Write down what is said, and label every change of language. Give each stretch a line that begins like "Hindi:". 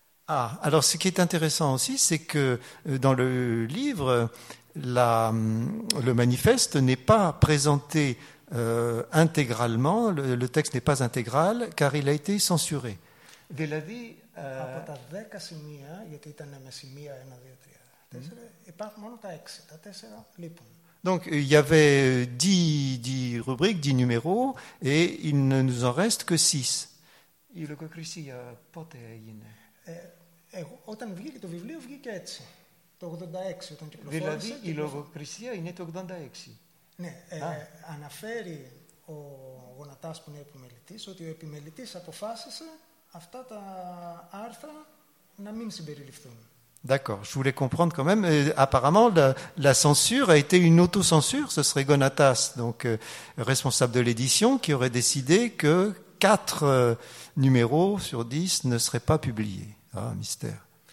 French: Ah, alors ce qui est intéressant aussi, c'est que dans le livre, le manifeste n'est pas présenté intégralement, le texte n'est pas intégral car il a été censuré.
Greek: Δηλαδή, από τα 10 σημεία, γιατί ήταν με σημεία 1, 2, 3, 4, υπάρχουν μόνο τα 6, τα 4 λείπουν.
French: Donc il y avait 10 rubriques, 10 numéros et il ne nous en reste que 6.
Greek: Η λογοκρισία πότε έγινε? Όταν βγήκε το βιβλίο, βγήκε έτσι. Το 86, όταν κυκλοφόρησε. Δηλαδή η λογοκρισία είναι το 86. Ναι, αναφέρει ο Γονατάς που είναι επιμελητής ότι ο επιμελητής αποφάσισε αυτά τα άρθρα να μην συμπεριληφθούν.
French: D'accord, je voulais comprendre quand même. Apparemment, la censure a été une auto-censure. Ce serait Gonatas, donc responsable de l'édition, qui aurait décidé que 4 numéros sur 10 ne seraient pas publiés. Ah, mystère.